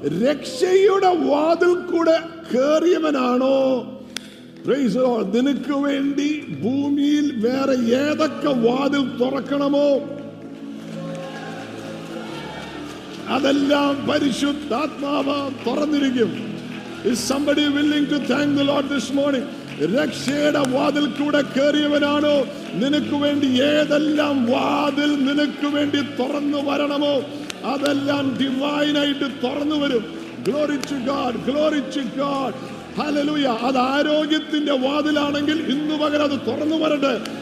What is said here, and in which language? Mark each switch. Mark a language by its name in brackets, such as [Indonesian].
[Malayalam] രക്ഷയുടെ വാതിൽ കൂടെ കേറിയവനാണോ? [English] Praise the Lord. [Malayalam] നിനക്ക് വേണ്ടി ഭൂമിയിൽ വേറെ ഏതൊക്കെ വാതിൽ തുറക്കണമോ അതെല്ലാം പരിശുദ്ധാത്മാവ് തുറന്നിരിക്കും. [English] Is somebody willing to thank the Lord this morning? [Malayalam] രക്ഷയുടെ വാതിൽ കൂടെ കേറിയവനാണോ? നിനക്ക് വേണ്ടി ഏതെല്ലാം വാതിൽ നിനക്ക് വേണ്ടി തുറന്നു വരണമോ അതെല്ലാം ഡിവൈൻ ആയിട്ട് തുറന്നു വരും. [English] Glory to God, glory to God. Hallelujah. [Malayalam] അത് ആരോഗ്യത്തിന്റെ വാതിലാണെങ്കിൽ ഇന്ന് പകരം അത് തുറന്നു വരട്ടെ.